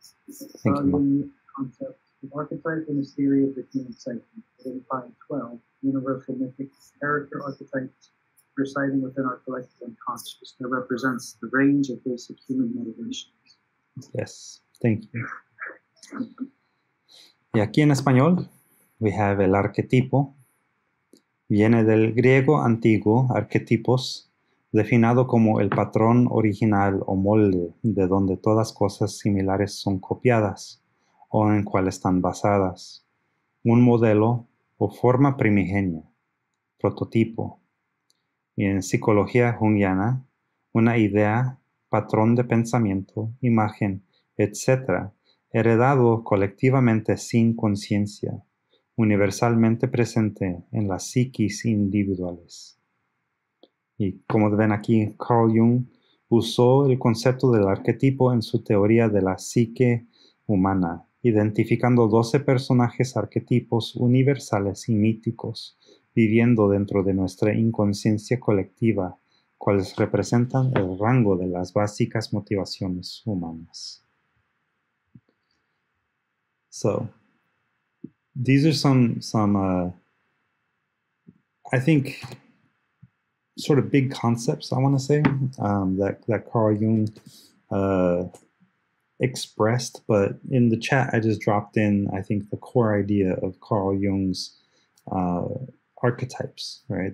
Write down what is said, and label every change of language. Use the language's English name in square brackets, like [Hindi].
[English] Thank you. Concept of archetype in the theory of the human psyche, 85-12, universal mythic character archetypes residing within our collective unconscious that represents the range of basic human motivations. Yes, thank you. [Spanish] Y aquí en español, [English] we have [Spanish] el arquetipo. Viene del griego antiguo, arquetipos, definido como el patrón original o molde de donde todas cosas similares son copiadas o en cual están basadas. Un modelo o forma primigenia, prototipo. Y en psicología jungiana, una idea, patrón de pensamiento, imagen, etc., heredado colectivamente sin conciencia, universalmente presente en las psiquis individuales. Y como ven aquí, Carl Jung usó el concepto del arquetipo en su teoría de la psique humana, identificando 12 personajes arquetipos universales y míticos viviendo dentro de nuestra inconsciencia colectiva, cuales representan el rango de las básicas motivaciones humanas. [English] So, these are some I think, sort of big concepts, I want to say, that Carl Jung expressed. But in the chat, I just dropped in, I think, the core idea of Carl Jung's archetypes, right?